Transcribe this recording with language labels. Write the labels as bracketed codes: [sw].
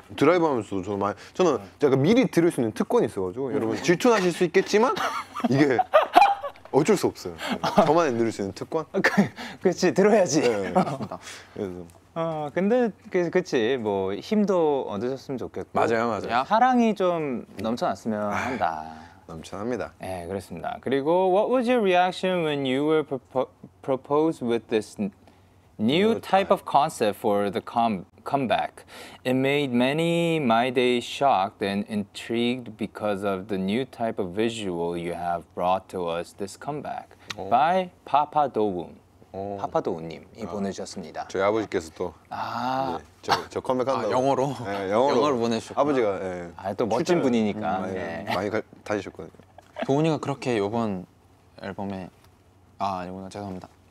[ko] 드라이브 하면서도 저는 많이 저는 제가 미리 들을 수 있는 특권이 있어가지고 여러분 질투나실 수 있겠지만 이게 어쩔 수 없어요. 저만 들을 수 있는 특권? 그렇지 들어야지. 네, 그래서 근데 그치 뭐 힘도 얻으셨으면 좋겠고 맞아요 맞아요 야, 사랑이 좀 넘쳐났으면 한다 넘쳐납니다 네 그렇습니다 그리고 [en] What was your reaction when you were proposed with this new type of concept for the comeback? It made many my day shocked and intrigued because of the new type of visual you have brought to us this comeback by Papa Dowoon [ko] 파파도우님 이 보내주셨습니다. 저희 아버지께서 또 저 컴백한다고 영어로 영어로 보내주셨고 아버지가 또 멋진 분이니까 많이 다니셨거든요. 도훈이가 그렇게 이번 앨범에 아 이거 죄송합니다.